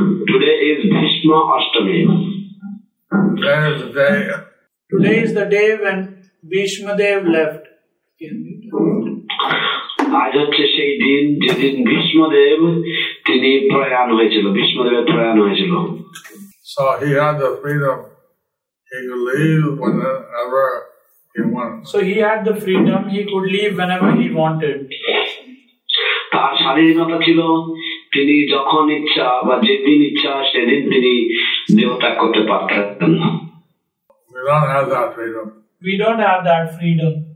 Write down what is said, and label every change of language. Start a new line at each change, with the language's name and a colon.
English: Today is Bhishma Ashtami. Today is the day. Today is the day when Bhishma Dev left.
Bangla: আজ হচ্ছে সেই দিন যেদিন ভীষ্মদেব তিনি প্রয়াণ হয়েছিল, ভীষ্মদেবের প্রয়াণ হয়েছিল।
English: So he had the freedom, he could leave whenever he wanted. So he had the freedom, he could leave whenever he wanted.
Bangla: তার স্বাধীনতা ছিল, তিনি যখন ইচ্ছা বা যেদিন ইচ্ছা সেদিন তিনি দেহত্যাগ করতে পারতেন।
English: We don't have that freedom. We don't have that freedom.